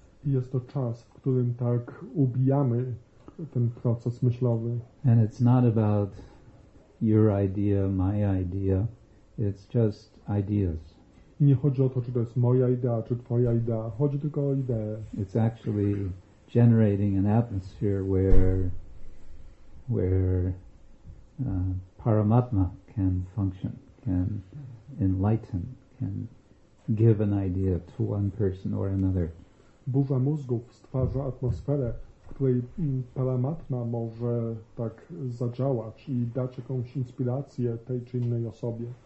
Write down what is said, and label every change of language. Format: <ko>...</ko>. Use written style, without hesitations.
<pl>Jest to czas, w którym tak ubijamy ten proces myślowy.</pl> <en>And it's not about your idea, my idea. It's just ideas.</en> <pl>I nie chodzi o to, czy to jest moja idea, czy twoja idea. Chodzi tylko o ideę.</pl> <en>It's actually generating an atmosphere where Paramatma can function, can enlighten, can give an idea to one person or another.</en> <pl>Burza mózgów stwarza atmosferę, w której Paramatma może tak zadziałać i dać jakąś inspirację tej czy innej osobie.</pl>